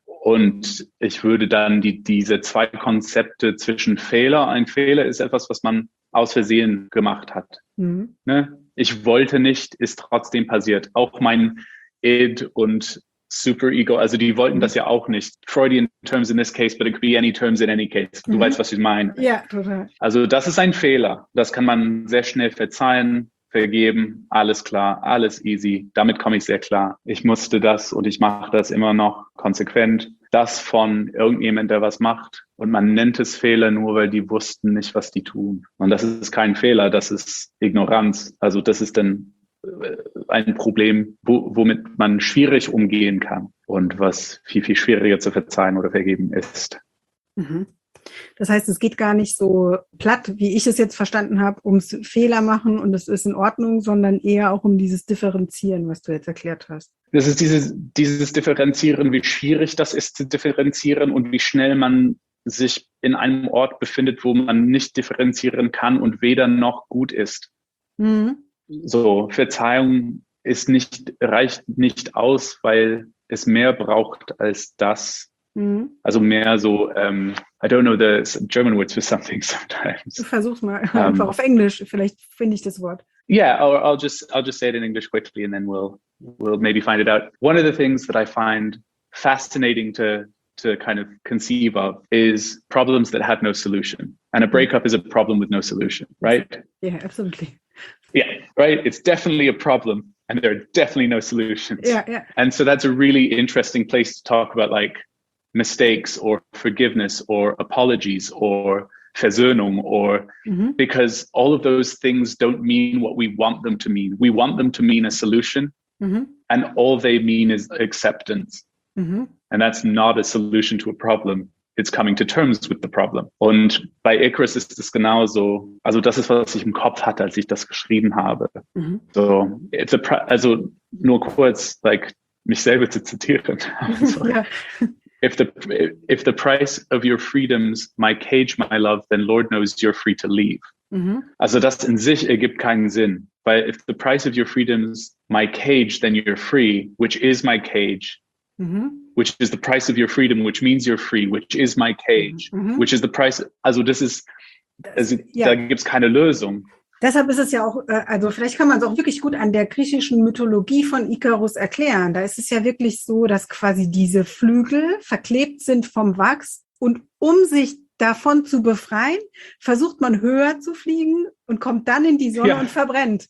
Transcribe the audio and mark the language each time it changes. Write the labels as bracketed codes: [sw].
[de] Und ich würde dann diese zwei Konzepte zwischen Fehler, ein Fehler ist etwas, was man aus Versehen gemacht hat. Mhm. Ne? Ich wollte nicht, ist trotzdem passiert. Auch mein Id und Superego, also die wollten das ja auch nicht. [en] Freudian terms in this case, but it could be any terms in any case. [de] Du weißt, was ich meine. Ja, total. Also das ist ein Fehler. Das kann man sehr schnell verzeihen, vergeben, alles klar, alles easy. Damit komme ich sehr klar. Ich musste das und ich mache das immer noch konsequent. Das von irgendjemand, der was macht. Und man nennt es Fehler nur, weil die wussten nicht, was die tun. Und das ist kein Fehler, das ist Ignoranz. Also das ist dann ein Problem, womit man schwierig umgehen kann und was viel, viel schwieriger zu verzeihen oder vergeben ist. Mhm. Das heißt, es geht gar nicht so platt, wie ich es jetzt verstanden habe, ums Fehler machen und es ist in Ordnung, sondern eher auch um dieses Differenzieren, was du jetzt erklärt hast. Das ist dieses Differenzieren, wie schwierig das ist zu differenzieren und wie schnell man sich in einem Ort befindet, wo man nicht differenzieren kann und weder noch gut ist. Mhm. So, Verzeihung reicht nicht aus, weil es mehr braucht als das. Mhm. Also mehr so, [en] I don't know the German words for something sometimes. [de] Versuch's mal einfach auf Englisch, vielleicht finde ich das Wort. [en] Yeah, or I'll just say it in English quickly and then we'll maybe find it out. One of the things that I find fascinating to kind of conceive of is problems that have no solution. And a breakup is a problem with no solution, right? Yeah, absolutely. Yeah, right? It's definitely a problem and there are definitely no solutions. Yeah, yeah. And so that's a really interesting place to talk about like mistakes or forgiveness or apologies or Versöhnung or because all of those things don't mean what we want them to mean. We want them to mean a solution and all they mean is acceptance. Mm-hmm. And that's not a solution to a problem. It's coming to terms with the problem. [de] Und bei Icarus ist es genauso. Also das ist, was ich im Kopf hatte, als ich das geschrieben habe. Mhm. So, also nur kurz, like mich selber zu zitieren. Sorry. Ja. [en] If the price of your freedom's my cage, my love, then Lord knows you're free to leave. Mhm. [de] Also das in sich ergibt keinen Sinn. [en] Weil if the price of your freedom's my cage, then you're free, which is my cage. Mhm. Which is the price of your freedom, which means you're free, which is my cage. Mhm. Which is the price, [de] also das ist, also ja. Da gibt es keine Lösung. Deshalb ist es ja auch, also vielleicht kann man es auch wirklich gut an der griechischen Mythologie von Ikarus erklären. Da ist es ja wirklich so, dass quasi diese Flügel verklebt sind vom Wachs und um sich davon zu befreien, versucht man höher zu fliegen und kommt dann in die Sonne ja. Und verbrennt.